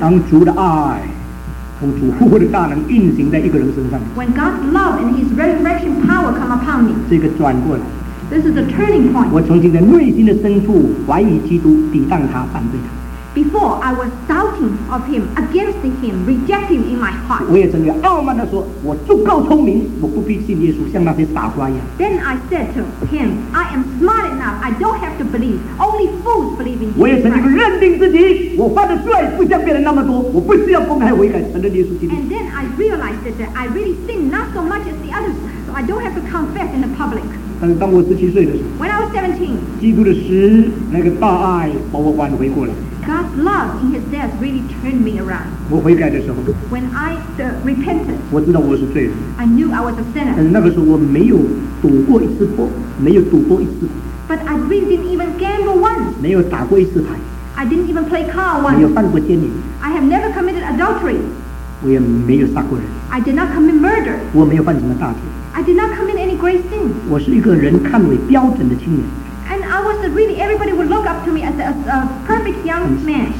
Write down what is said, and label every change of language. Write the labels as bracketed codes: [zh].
[zh] 当主的爱从主复活的大能运行在一个人身上， [en] when God's love and his resurrection power come upon me, [zh] 这个转过来， [en] this is a turning point. [zh] 我从今天内心的深处怀疑基督，抵挡他，反对他， [en] Before I was doubting of him, against him, rejecting in my heart. [zh] 我也曾经傲慢地说，我足够聪明，我不必信耶稣，像那些傻瓜一样。 [en] Then I said to him, I am smart enough. I don't have to believe. Only fools believe in Jesus. [zh] 我也曾经认定自己，我犯的罪不像别人那么多，我不需要公开悔改，承认耶稣基督。 [en] And then I realized that I really sin not so much as the others, so I don't have to confess in the public. [zh] 但是当我17岁的时候， [en] When I was 17, [zh] 基督的死，那个大爱把我挽回过来。 [en] God's love in his death really turned me around. [zh] 我悔改的时候， [en] When I repented, [zh] 我知道我是罪人。 [en] I knew I was a sinner. [zh] 但是那个时候我没有赌过一次， [en] But I really didn't even gamble once. [zh] 没有打过一次牌。 [en] I didn't even play card once. [zh] 没有犯过奸淫。 [en] I have never committed adultery. [zh] 我也没有杀过人。 [en] I did not commit murder. [zh] 我没有犯什么大罪。 [en] I did not commit any great sin. [zh] 我是一个人看为标准的青年。 [en] And I was really, everybody would look up to me as a perfect young man.